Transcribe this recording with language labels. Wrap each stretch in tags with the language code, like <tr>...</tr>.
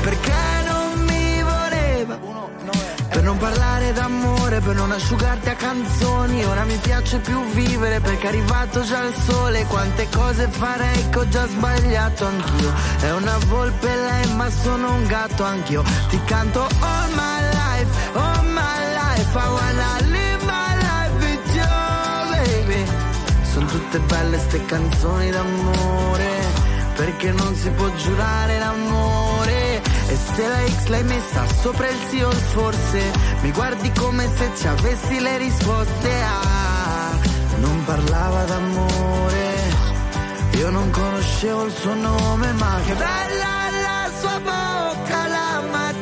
<it>perché non mi voleva per non parlare d'amore, per non asciugarti a canzoni. Ora mi piace più vivere perché è arrivato già il sole. Quante cose farei che ho già sbagliato anch'io. È una volpe lei, ma sono un gatto anch'io. Ti canto</it> <en>all my life, all my life, I wanna live my life with you, baby.</en> <it>Sono tutte belle ste canzoni d'amore, perché non si può giurare l'amore. E se la X l'hai messa sopra il sì o il forse, mi guardi come se ci avessi le risposte. Ah, non parlava d'amore, io non conoscevo il suo nome, ma che bella la sua bocca la mattina,</it>